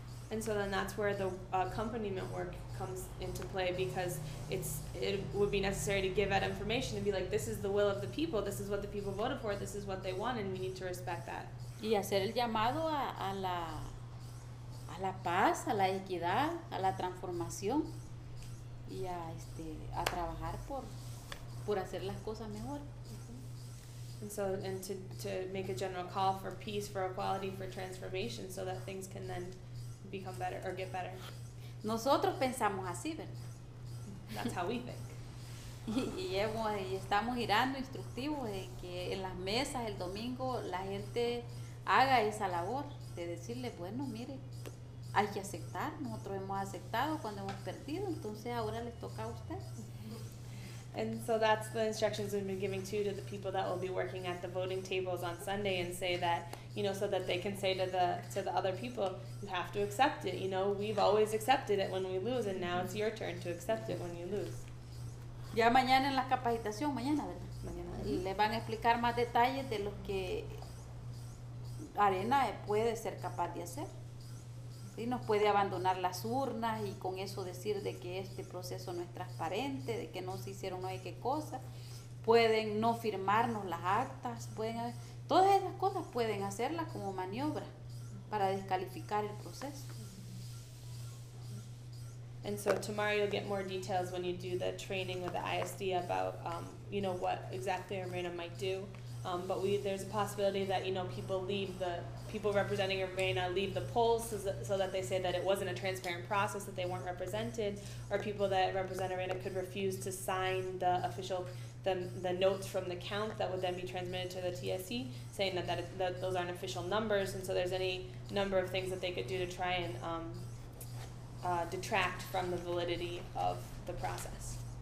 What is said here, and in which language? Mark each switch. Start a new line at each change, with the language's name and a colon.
English: And so then that's where the accompaniment work comes into play, because it would be necessary to give out information and be like, this is the will of the people, this is what the people voted for, this is what they want, and we need to respect that.
Spanish: Y hacer el llamado a la paz, a la equidad, a la transformación, y a trabajar por hacer las cosas mejor.
English: And so, and to make a general call for peace, for equality, for transformation, so that things can then become better or get better.
Spanish: Nosotros pensamos así, ¿verdad?
English: That's how we think.
Spanish: y estamos girando instructivos de que en las mesas el domingo la gente haga esa labor de decirle, bueno, mire, hay que aceptar, nosotros hemos aceptado cuando hemos perdido, entonces ahora les toca a ustedes.
English: And so that's the instructions we've been giving to the people that will be working at the voting tables on Sunday, and say that, you know, so that they can say to the other people, you have to accept it, you know, we've always accepted it when we lose, and now it's your turn to accept it when you lose.
Spanish: Ya mañana en la capacitación, mañana, ¿verdad? Mañana. Le van a explicar más detalles de lo que Arena puede ser capaz de hacer. Sí, nos puede abandonar las urnas y con eso decir de que este proceso no es transparente, de que no se hicieron no hay qué cosa. Pueden no firmarnos las actas, pueden hacer, todas esas cosas pueden hacerlas como maniobra para descalificar el proceso.
English: And so tomorrow you'll get more details when you do the training with the ISD about you know, what exactly Arena might do. But there's a possibility that, you know, people representing Arena leave the polls so that they say that it wasn't a transparent process, that they weren't represented, or people that represent Arena could refuse to sign the official, the notes from the count that would then be transmitted to the TSC, saying that those aren't official numbers, and so there's any number of things that they could do to try and detract from the validity of the process.